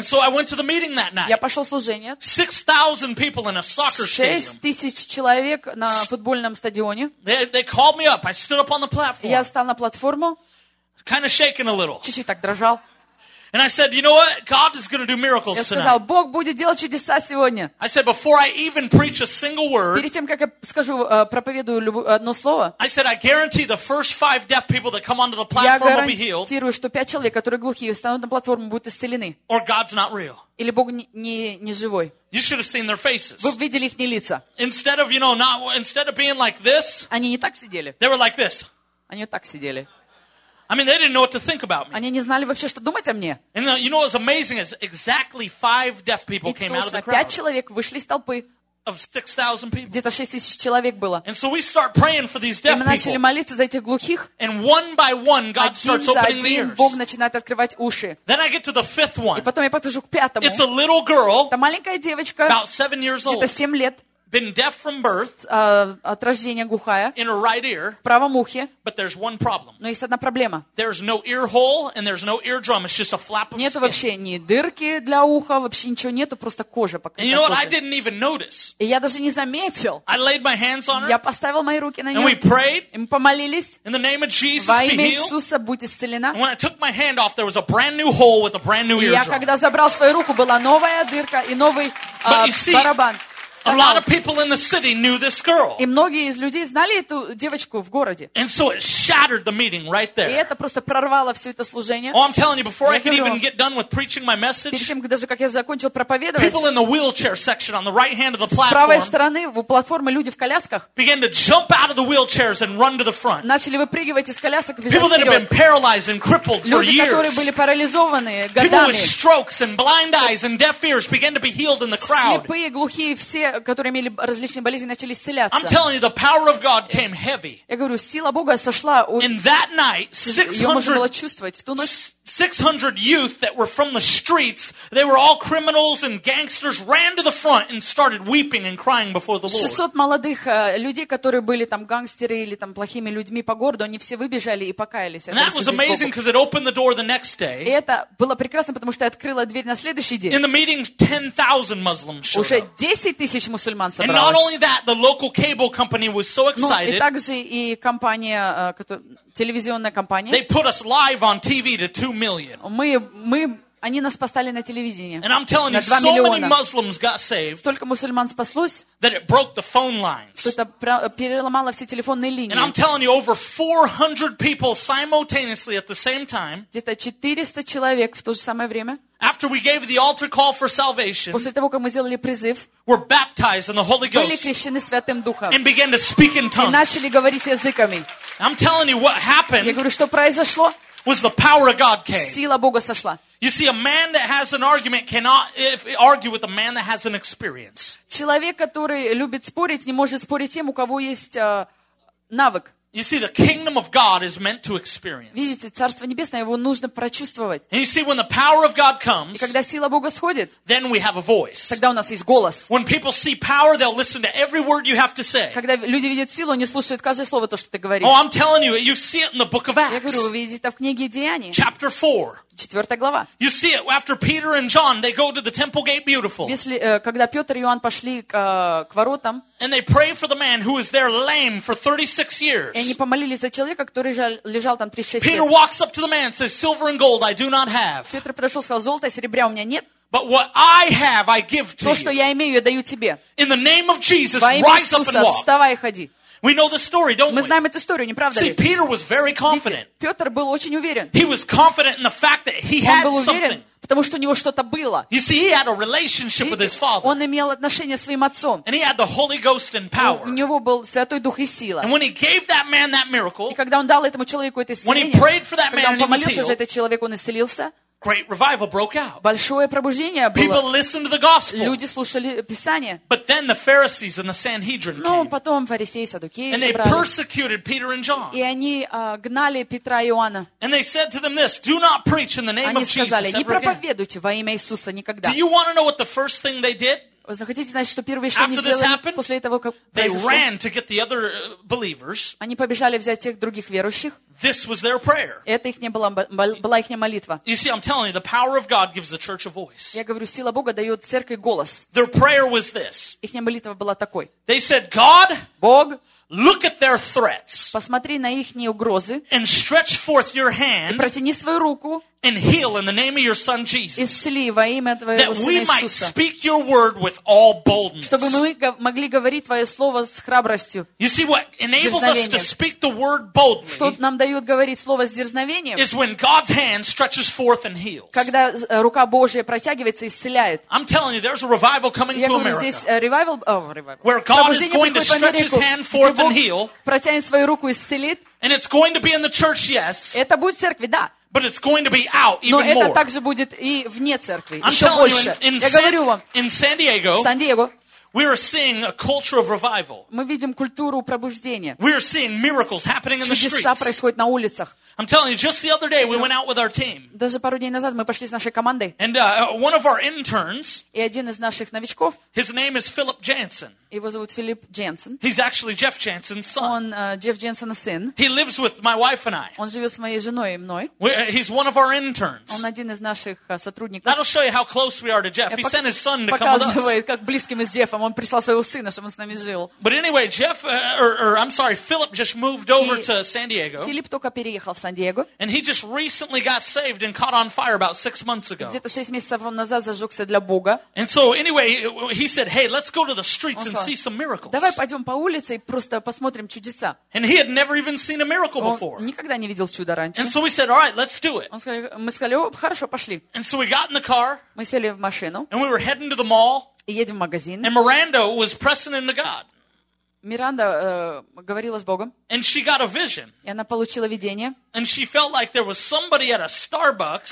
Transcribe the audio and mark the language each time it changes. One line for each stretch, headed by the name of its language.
English: And so I went to the meeting that night.
Russian: Я пошел служение.
English: 6,000 people in a soccer stadium.
Russian: 6,000 человек на футбольном стадионе.
English: They called me up. I stood up on the platform.
Russian: Я встал на платформу.
English: Kind of shaking a little.
Russian: Чуть-чуть так дрожал.
English: And I said, you know what? God is going to do miracles tonight.
Russian: Я сказал, Бог будет делать чудеса сегодня.
English: I said, before I even preach a single word.
Russian: Перед тем, как я скажу, проповедую одно слово.
English: I said, I guarantee the first five deaf people that come onto the platform will be healed.
Russian: Я гарантирую, что пять человек, которые глухие, встанут на платформу, будут исцелены.
English: Or God's not real.
Russian: Или Бог не живой.
English: You should have seen their faces.
Russian: Вы видели их не лица.
English: Instead of, you know, not instead of being like this.
Russian: Они не так сидели.
English: They were like this.
Russian: Они вот так сидели.
English: I mean, they didn't know what to think about me.
Russian: Они не знали вообще, что думать о мне.
English: And the, you know what's amazing is exactly five deaf people came out of the crowd.
Russian: И точно пять человек вышли из толпы.
English: Of 6,000 people.
Russian: Где-то 6,000 человек было.
English: And so we start praying for these deaf people.
Russian: И мы начали молиться за этих глухих.
English: And one by one, God starts opening the ears.
Russian: Один за один Бог начинает открывать уши.
English: Then I get to the fifth one.
Russian: И потом я подхожу к пятому.
English: It's a little girl.
Russian: Это маленькая девочка.
English: About 7 years old.
Russian: Где-то 7 лет.
English: Been deaf from birth.
Russian: От рождения глухая.
English: In her right ear.
Russian: В правом ухе.
English: But there's one problem.
Russian: Но есть одна проблема.
English: There's no ear hole and there's no eardrum. It's just a flap of skin.
Russian: Нету вообще ни дырки для уха, вообще ничего нету, просто кожа пока.
English: And you know what? I didn't even notice.
Russian: И я даже не заметил.
English: I laid my hands on her.
Russian: Я поставил мои руки на нее.
English: And we prayed.
Russian: И мы помолились.
English: In the name of Jesus,
Russian: во имя Иисуса, будь исцелена.
English: And when I took my hand off, there was a brand new hole with a brand new eardrum.
Russian: И я когда забрал свою руку, была новая дырка и новый барабан.
English: A lot of people in the city knew this girl.
Russian: И многие из людей знали эту девочку в городе.
English: And so it shattered the meeting right there.
Russian: И это просто прорвало все это служение.
English: Oh, I'm telling you, before I could even get done with preaching my message.
Russian: Перед тем, даже как я закончил проповедовать.
English: People in the wheelchair section on the right hand of the platform.
Russian: С правой стороны у платформы люди в колясках.
English: Began to jump out of the wheelchairs and run to the front.
Russian: Начали выпрыгивать из колясок.
English: People that had been paralyzed and crippled for years.
Russian: Люди, которые были парализованы годами.
English: People with strokes and blind eyes and deaf ears began to be healed in the crowd.
Russian: Слепые, глухие все. Которые имели различные болезни, начали исцеляться.
English: I'm telling you, the power of God came heavy.
Russian: Я говорю, сила Бога сошла.
English: In that night, 600,
Russian: ее можно было чувствовать в ту ночь.
English: 600 youth that were from the streets, they were all criminals and gangsters, ran to the front and started weeping and crying before the Lord.
Russian: 600 молодых людей, которые были там гангстеры или там плохими людьми по городу, они все выбежали и покаялись.
English: And that was amazing because it opened the door the next day.
Russian: И это было прекрасно, потому что открыло дверь на следующий день.
English: In the meeting, 10,000 Muslims showed up.
Russian: Уже 10,000 мусульман собралось.
English: And not only that, the local cable company was so excited.
Russian: Ну и также и компания, которая телевизионная компания.
English: They put us live on TV to 2 million.
Russian: Мы Они нас поставили на телевидении.
English: And I'm telling you, so many Muslims got saved.
Russian: Столько мусульман спаслось.
English: That it broke the phone lines.
Russian: Что-то переломало все телефонные линии.
English: And I'm telling you, over 400 people simultaneously at the same time.
Russian: Где-то 400 человек в то же самое время.
English: After we gave the altar call for salvation.
Russian: После того, как мы сделали призыв.
English: Were baptized in the Holy Ghost.
Russian: Были крещены Святым Духом.
English: And began to speak in tongues.
Russian: И начали говорить языками.
English: I'm telling you what happened.
Russian: Я говорю, что произошло.
English: Was the power of God came.
Russian: Сила Бога сошла.
English: You see, a man that has an argument cannot argue with a man that has an experience.
Russian: Человек, который любит спорить, не может спорить тем, у кого есть навык.
English: You see, the kingdom of God is meant to experience.
Russian: Видите, царство небесное, его нужно прочувствовать.
English: And you see, when the power of God comes,
Russian: и когда сила Бога сходит,
English: then we have a voice.
Russian: Тогда у нас есть голос.
English: When people see power, they'll listen to every word you have to say.
Russian: Когда люди видят силу, они слушают каждое слово, то, что ты говоришь.
English: Oh, I'm telling you, you see it in the book of Acts.
Russian: Я говорю, вы видите это в книге Деяний.
English: Chapter 4.
Russian: Четвертая глава.
English: You see it after Peter and John, they go to the temple gate beautiful.
Russian: Если когда Петр и Иоанн пошли к воротам.
English: And they pray for the man who was there lame for 36 years.
Russian: И они помолились за человека, который лежал там 36 лет.
English: Peter walks up to the man, says, "Silver and gold I do not have."
Russian: Петр подошел, сказал, золото и серебра у меня нет.
English: But what I have, I give to you.
Russian: То, что я имею, я даю тебе.
English: In the name of Jesus, rise up and walk.
Russian: Вставай и ходи.
English: We know the story, don't we?
Russian: Мы знаем эту историю, не правда ли?
English: See, Peter was very confident.
Russian: Видите, Петр был очень уверен.
English: He was confident in the fact that he had something.
Russian: Он был уверен, потому что у него что-то было.
English: You see, he had a relationship with his father.
Russian: Он имел отношение с своим отцом.
English: And he had the Holy Ghost and power.
Russian: У него был Святой Дух и сила.
English: And when he gave that man that miracle,
Russian: и когда он дал этому человеку это исцеление,
English: when he prayed for that man,
Russian: когда он помолился за этот человек, он исцелился.
English: Great revival broke out.
Russian: Большое пробуждение было.
English: People listened to the gospel.
Russian: Люди слушали Писание.
English: But then the Pharisees and the Sanhedrin came.
Russian: Но потом фарисеи и саддукеи собрались.
English: And they persecuted Peter and John.
Russian: И они гнали Петра и Иоанна.
English: And they said to them this: Do not preach in the name of Jesus ever again.
Russian: Они сказали: Не проповедуйте во имя Иисуса никогда.
English: Do you want to know what the first thing they did?
Russian: Вы захотите знать, что первое, что они сделали после того, как произошло?
English: They ran to get the other believers.
Russian: Они побежали взять тех других верующих.
English: This was their prayer.
Russian: Это их не была, была их молитва.
English: You see, I'm telling you, the power of God gives the church a voice.
Russian: Я говорю, сила Бога дает церкви голос.
English: Their prayer was this.
Russian: Их молитва была такой.
English: They said, God,
Russian: Бог,
English: look at their threats.
Russian: Посмотри на их угрозы.
English: And stretch forth your hand.
Russian: И протяни свою руку.
English: And heal in the name of your son Jesus.
Russian: Исцели во имя твоего сына
English: That we might speak your word with all boldness.
Russian: Чтобы мы могли говорить твое слово с храбростью.
English: You see what enables us to speak the word boldly?
Russian: Что нам дает говорить слово с дерзновением?
English: Is when God's hand stretches forth and heals.
Russian: Когда рука Божья протягивается и исцеляет.
English: I'm telling you, there's a revival coming to America.
Russian: Я говорю, здесь revival, revival.
English: Where God is going to stretch His hand forth and heal.
Russian: Протянет свою руку и исцелит.
English: And it's going to be in the church, yes.
Russian: Это будет в церкви, да.
English: But it's going to be out even more.
Russian: Но это также будет и вне церкви,
English: I'm
Russian: еще больше.
English: You, in,
Russian: я говорю вам,
English: in San Diego,
Russian: Сан-Диего,
English: we are seeing a culture of revival.
Russian: Мы видим культуру пробуждения.
English: We are seeing miracles happening in the streets.
Russian: Чудеса происходят на улицах.
English: I'm telling you, just the other day, we went out with our team.
Russian: Даже пару дней назад мы пошли с нашей командой.
English: And one of our interns,
Russian: и один из наших новичков,
English: his name is Philip Jansen.
Russian: Его зовут Филипп Джансен.
English: He's actually Jeff Jansen's son.
Russian: Он Джефф Джансена сын.
English: He lives with my wife and I.
Russian: Он живет с моей женой и мной.
English: He's one of our interns.
Russian: Он один из наших сотрудников.
English: That'll show you how close we are to Jeff. He sent his son to come with us.
Russian: Показывает, как близким мы с Джеффом. Он прислал своего сына, чтобы он с нами жил.
English: But anyway, Jeff, Philip just moved over to San Diego.
Russian: Филипп только переехал в Сан-Диего.
English: And he just recently got saved and caught on fire about 6 months ago.
Russian: Где-то 6 месяцев назад зажегся для Бога.
English: And so anyway, he said, "Hey, let's go to the streets and see some miracles."
Russian: Давай пойдем по улице и просто посмотрим чудеса.
English: And he had never even seen a miracle before.
Russian: Он никогда не видел чудо раньше.
English: And so we said, "All right, let's do it."
Russian: Мы сказали, хорошо, пошли.
English: And so we got in the car.
Russian: Мы сели в машину.
English: And we were heading to the mall.
Russian: И едем в магазин.
English: And Miranda was pressing into God.
Russian: Миранда говорила с Богом.
English: And she got a vision.
Russian: И она получила видение.
English: And she felt like there was somebody at a Starbucks.